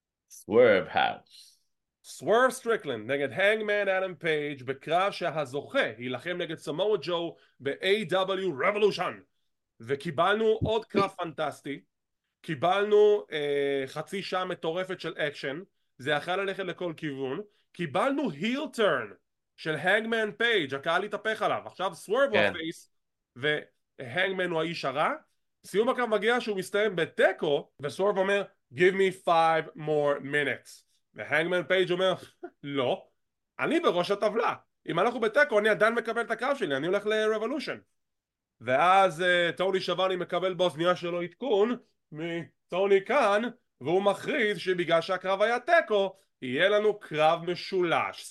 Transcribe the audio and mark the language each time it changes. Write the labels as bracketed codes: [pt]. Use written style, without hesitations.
[en] Swerve house. [he] Swerve Strickland נגד Hangman Adam Page בקרב שהזוכה יילחם נגד סמואה ג'ו ב-AW Revolution. וקיבלנו עוד קרב פנטסטי. קיבלנו חצי שעה מטורפת של אקשן. זה יכל ללכת לכל כיוון. קיבלנו heel turn של Hangman Page. הקהל התהפך עליו. עכשיו Swerve הוא הפייס. ו... הנגמן הוא האיש הרע. סיום הקרב מגיע שהוא מסתיים בטקו, וסוורב אומר, [en] give me five more minutes. [he] והנגמן פייג' אומר, לא, אני בראש הטבלה. אם אנחנו בטקו, אני עדיין מקבל את הקרב שלי, אני הולך ל-Revolution. ואז טוני שבני מקבל באוזניה שלו עדכון מטוני קאן, והוא מכריז שבגלל שהקרב היה טקו, יהיה לנו קרב משולש.